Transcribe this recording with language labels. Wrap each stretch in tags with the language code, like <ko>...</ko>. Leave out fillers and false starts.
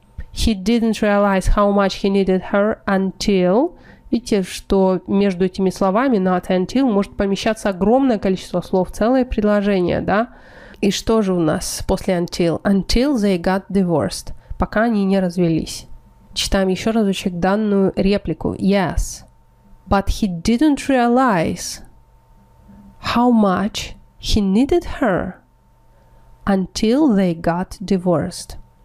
<en>He didn't realize how much he needed her until.</en> <ru>Видите, что между этими словами not until может помещаться огромное количество слов, целое предложение, да? И что же у нас после until?</ru> <en>Until they got divorced.</en> <ru>Пока они не развелись. Читаем еще разочек данную реплику.</ru> <en>Yes. But he didn't realize how much he needed her until they got divorced.</en>